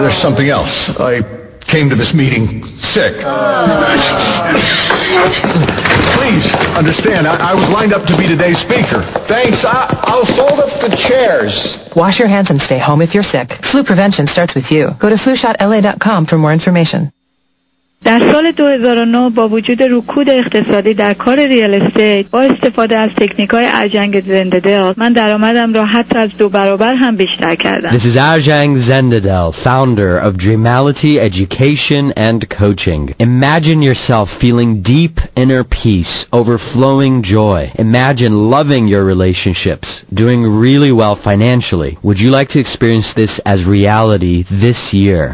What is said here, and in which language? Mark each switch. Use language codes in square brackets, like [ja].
[en] There's something else. I came to this meeting sick. Please, understand, I was lined up to be today's speaker. Thanks, I'll fold up the chairs. Wash your hands and stay home if you're sick. Flu prevention starts with you. Go to flushotla.com for more information. [fa] دست سال 2009 با وجود رکود اقتصادی در کار ریال استیت با استفاده از تکنیک‌های ارجنگ زنددل من درآمدم را حتی از دو برابر هم بیشتر کردم. [en] This is Arjang Zendadel, founder of Dreamality Education and Coaching. Imagine yourself feeling deep inner peace, overflowing joy. Imagine loving your relationships, doing really well financially. Would you like to experience this as reality this year?